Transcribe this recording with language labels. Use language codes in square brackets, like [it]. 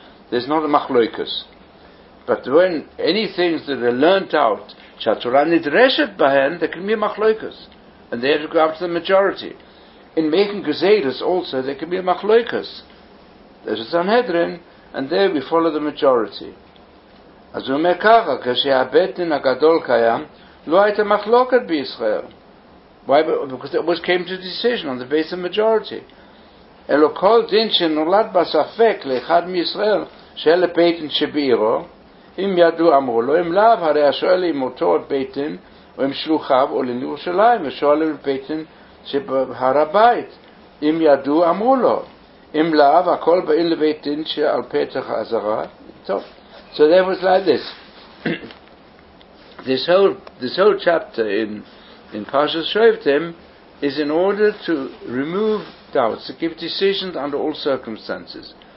[en] There's not a machloikus. But when any things that are learnt out, Shatorah Nidreshet Bahen, there can be a machloikus. And they have to go after the majority. In making Gezeiros also, there can be a machloikus. There's a Sanhedrin, and there we follow the majority. [he] אז הוא אומר ככה, כשהבית דין הגדול קיים, לא הייתה מחלוקת בישראל. [en] Why? Because it was came to decision on the basis of majority. [he] אלו כל דין שנולד בספק לאחד מישראל, שאלה בית דין שבעירו, אם ידעו אמרו לו, אם לאו, הרי השואל עם אותו בית דין, או עם שלוחיו, או לירושלים, ושואלים בית דין שבהר הבית, אם ידעו אמרו לו, אם לאו, הכל באים לבית דין שעל פתח עזרה, טוב. [en] So that was like this. this whole chapter in Parshas Shoftim is in order to remove doubts, to give decisions under all circumstances.